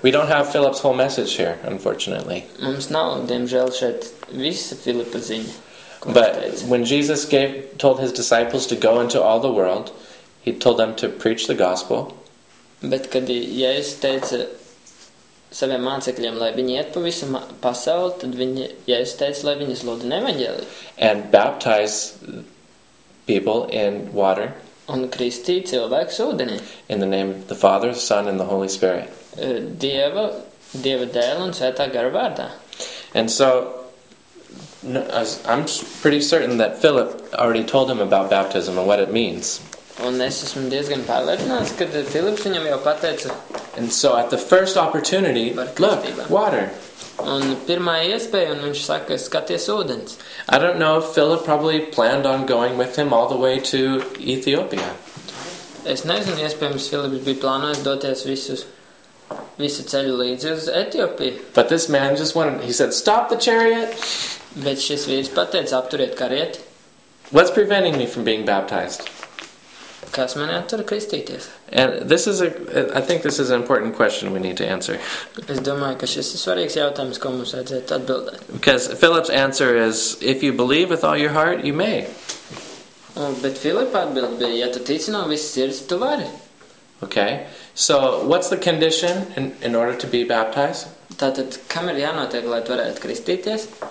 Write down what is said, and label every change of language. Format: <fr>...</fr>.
<en>We don't have Philip's whole message here, unfortunately.</en> <lv>Mums nav, diemžēl, šeit visa Filipa ziņa.</lv> <en>But when Jesus told his disciples to go into all the world, he told them to preach the gospel.</en> <lv>Bet kad Jēzus teica saviem mācekļiem, lai viņi iet pa visu pasauli, tad Jēzus teica, lai viņi sludina evaņģēliju.</lv> <en>And baptize people in water.</en> <lv>Un kristī cilvēks ūdenī.</lv> <en>In the name of the Father, the Son, and the Holy Spirit.</en> <lv>Dieva dēla un Svētā Gara vārdā.</lv> <en>And so, No, I'm pretty certain that Philip already told him about baptism and what it means.</en> <lv>Un es esmu diezgan pārliecināts, ka Philips viņam jau pateica.</lv> <en>And so at the first opportunity, look, water.</en> <lv>Un pirmā iespēja, un viņš saka, skaties ūdens.</lv> <en>I don't know if Philip probably planned on going with him all the way to Ethiopia.</en> <lv>Es nezinu, iespējams, Philips bija plānojis doties visu ceļu līdzi uz Etiopiju.</lv> <en>But this man just wanted, he said, stop the chariot.</en> <lv>Bet šis vīrs pateica, apturiet karieti.</lv> <en>What's preventing me from being baptized?</en> <lv>Kas mani attura kristīties?</lv> <en>And this is a, I think this is an important question we need to answer.</en> <lv>Es domāju, ka šis ir svarīgs jautājums, ko mums vajadzētu atbildēt.</lv> <en>Because Philip's answer is, if you believe with all your heart, you may.</en> <lv>Bet Philip atbild bija, ja tu tici no visas sirds, tu vari.</lv> <en>Okay, so what's the condition in order to be baptized?</en> <lv>Tātad, kam ir jānotiek, lai tu varētu kristīties?</lv>